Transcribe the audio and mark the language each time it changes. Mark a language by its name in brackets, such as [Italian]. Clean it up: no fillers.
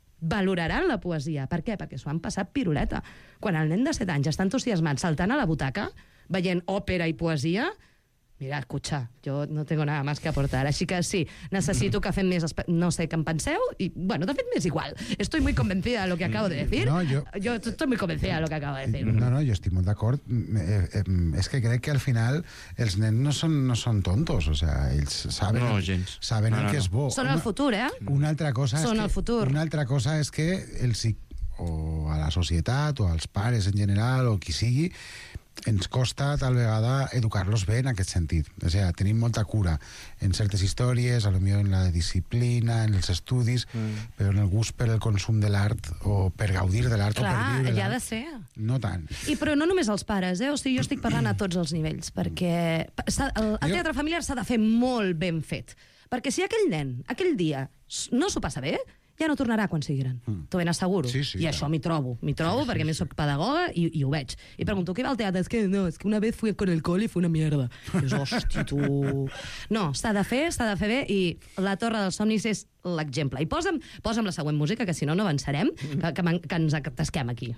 [Catalan] Valoraran la poesia. Per què? Perquè s'ho han passat piruleta. Quan el nen de 7 anys està entusiasmat saltant a la butaca, veient òpera i poesia, mira, [Spanish] escucha, jo no tengo nada más que aportar. [Catalan] Així que sí, necessito que fem més... No sé què en penseu, i, bueno, de fet, m'és igual. [Spanish] Estoy muy convencida de lo que acabo de decir. No, yo estoy muy convencida de lo que acabo de decir. [Catalan] No, jo estic molt d'acord. És que crec que, al final, els nens no són tontos. O sea, ells saben... No, gens. Saben no, el que és bo. Són el futur, eh? Una altra cosa... Són el futur. Una altra cosa és que els... O a la societat, o als pares en general, o qui sigui... ens costa, tal vegada, educar-los bé en aquest sentit. O sigui, tenim molta cura en certes històries, a lo millor en la disciplina, en els estudis, però en el gust per el consum de l'art o per gaudir de l'art. Clar, o per viure, hi ha de ser. No tant. I, però no només els pares, eh? O sigui, jo estic parlant a tots els nivells, perquè el teatre familiar s'ha de fer molt ben fet. Perquè si aquell nen, aquell dia, no s'ho passa bé... ja no tornarà quan sigui gran. T'ho ben asseguro. Sí, sí, i això m'hi trobo. M'hi trobo, sí, perquè sí, a més soc pedagoga i ho veig. I pregunto, què va al teatre? És que [Spanish] una vez fui con el col i fue una mierda. [Catalan] I dius, hosti, tu... No, s'ha de fer bé, i La Torre dels Somnis és l'exemple. I posa'm la següent música, que si no, no avançarem, que ens atasquem aquí.